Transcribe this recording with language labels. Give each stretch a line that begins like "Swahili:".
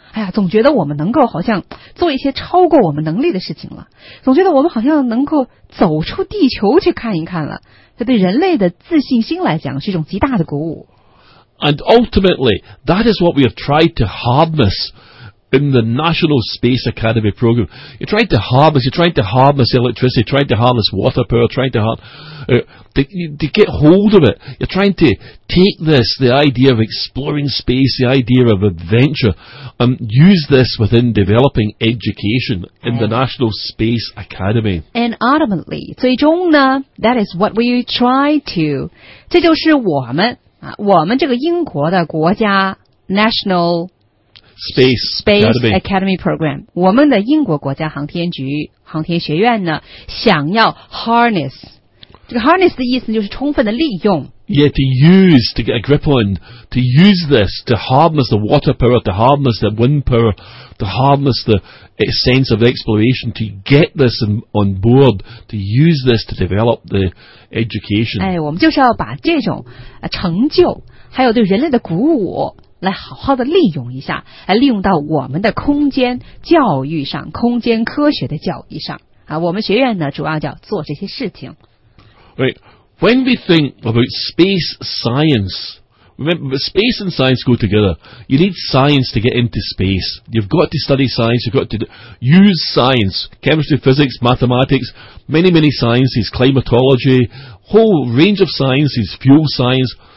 Chinese: 哎呀，总觉得我们能够好像做一些超过我们能力的事情了，总觉得我们好像能够走出地球去看一看了。这对人类的自信心来讲是一种极大的鼓舞。
English: And ultimately, that is what we have tried to harness. In the National Space Academy program, you're trying to harness electricity, trying to harness water power, trying to to get hold of it. You're trying to take this, the idea of exploring space, the idea of adventure, and use this within developing education in the National Space Academy. And ultimately,
Chinese: 最终呢,
English: that is what we try to.
Chinese: 这就是我们这个英国的国家 National.
English: Space Academy
Chinese: Program， 我们的英国国家航天局航天学院呢，想要 harness， 这个 harness 的意思就是充分的利用。
English: Yeah, to use, to get a grip on, to use this, to harness the water power, to harness the wind power, to harness the sense of exploration, to get this on board, to use this to develop the education.
Chinese: 哎，我们就是要把这种成就，还有对人类的鼓舞。来好好的利用一下，来利用到我们的空间教育上，空间科学的教育上啊。我们学院呢，主要叫做这些事情。
English: Right, when we think about space science, remember space and science go together. You need science to get into space. You've got to study science. You've got to use science, chemistry, physics, mathematics, many many sciences, climatology, whole range of sciences, fuel science.